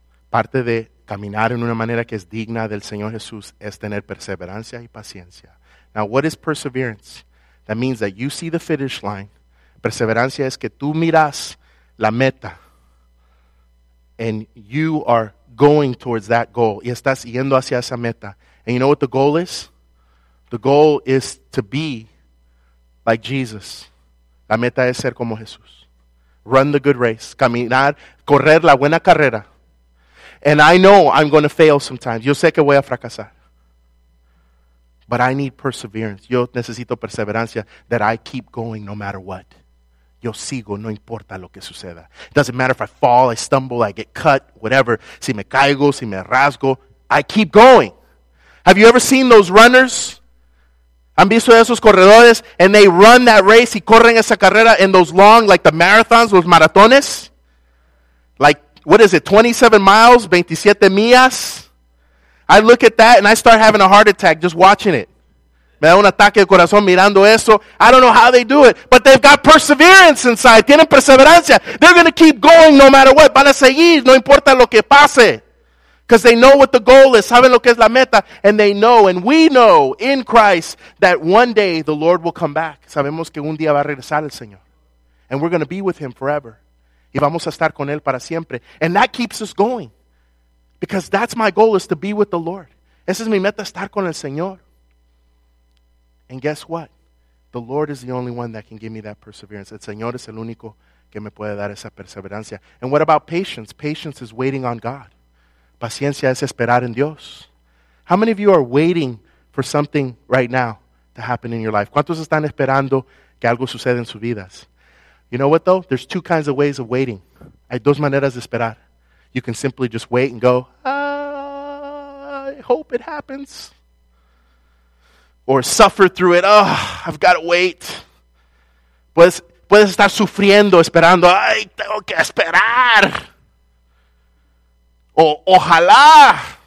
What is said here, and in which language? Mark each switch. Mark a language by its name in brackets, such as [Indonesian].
[Spanish] Parte de caminar en una manera que es digna del Señor Jesús es tener perseverancia y paciencia. [English] Now, what is perseverance? That means that you see the finish line. [Spanish] Perseverancia es que tú miras la meta. [English] And you are going towards that goal. [Spanish] Y estás yendo hacia esa meta. [English] And you know what the goal is? The goal is to be like Jesus. [Spanish] La meta es ser como Jesús. [English] Run the good race. [Spanish] Caminar, correr la buena carrera. [English] And I know I'm going to fail sometimes. [Spanish] Yo sé que voy a fracasar. [English] But I need perseverance. [Spanish] Yo necesito perseverancia [English] that I keep going no matter what. [Spanish] Yo sigo, no importa lo que suceda. [English] It doesn't matter if I fall, I stumble, I get cut, whatever. [Spanish] Si me caigo, si me rasgo, [English] I keep going. Have you ever seen those runners? [Spanish] ¿Han visto esos corredores? [English] And they run that race, [Spanish] y corren esa carrera [English] in those long, like the marathons, [Spanish] los maratones. [English] Like, what is it, 27 miles, [Spanish] 27 millas? [English] I look at that and I start having a heart attack just watching it. [Spanish] Me da un ataque de corazón mirando eso. [English] I don't know how they do it, but they've got perseverance inside. [Spanish] Tienen perseverancia. [English] They're going to keep going no matter what. [Spanish] Van a seguir, no importa lo que pase. [English] Because they know what the goal is. [Spanish] Saben lo que es la meta. [English] And they know, and we know in Christ, that one day the Lord will come back. [Spanish] Sabemos que un día va a regresar el Señor. [English] And we're going to be with Him forever. [Spanish] Y vamos a estar con Él para siempre. [English] And that keeps us going. Because that's my goal, is to be with the Lord. [Spanish] Esa es mi meta, estar con el Señor. [English] And guess what? The Lord is the only one that can give me that perseverance. [Spanish] El Señor es el único que me puede dar esa perseverancia. [English] And what about patience? Patience is waiting on God. [Spanish] Paciencia es esperar en Dios. [English] How many of you are waiting for something right now to happen in your life? [Spanish] ¿Cuántos están esperando que algo suceda en sus vidas? [English] You know what though? There's two kinds of ways of waiting. [Spanish] Hay dos maneras de esperar. [English] You can simply just wait and go, I hope it happens. Or suffer through it. Oh, I've got to wait. [Spanish] Puedes estar sufriendo, esperando. Ay, tengo que esperar. Ojalá.